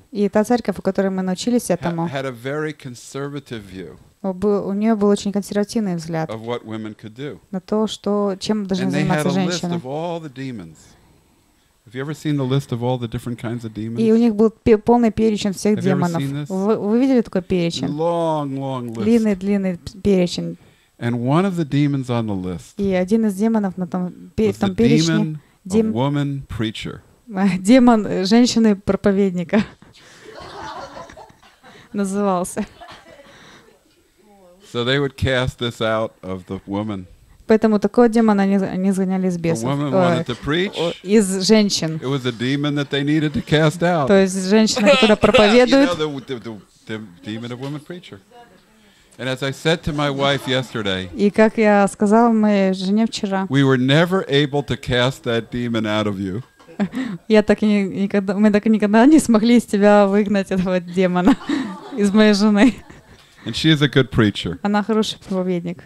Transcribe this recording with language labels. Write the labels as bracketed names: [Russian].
[Russian] И та церковь, в которой мы научились этому. [English] Had a very conservative view. [Russian] У нее был очень консервативный взгляд. [English] Of what women could do. [Russian] На то, что чем должны заниматься женщины. [English] And they had a list of all the demons. Have you ever seen the list of all the different kinds of demons? [Russian] И у них был полный перечень всех демонов. Вы видели такой перечень? [English] Long, long list. [Russian] Длинный перечень. [English] And one of the demons on the list. [Russian] И один из демонов на том перечне. [English] The demon, a woman preacher. [Russian] Демон женщины проповедника назывался. [English] So they would cast this out of the woman. [Russian] Поэтому такого демона они изгоняли из бесов. Из женщин. [English] It was a demon that they needed to cast out. [Russian] То есть женщина, которая проповедует. [English] You know, the demon of woman preacher. And as I said to my wife yesterday. [Russian] И как я сказал моей жене вчера. [English] We were never able to cast that demon out of you. [Russian] мы так и никогда не смогли из тебя выгнать этого демона из моей жены. [English] And she is a good preacher. [Russian] Она хороший проповедник.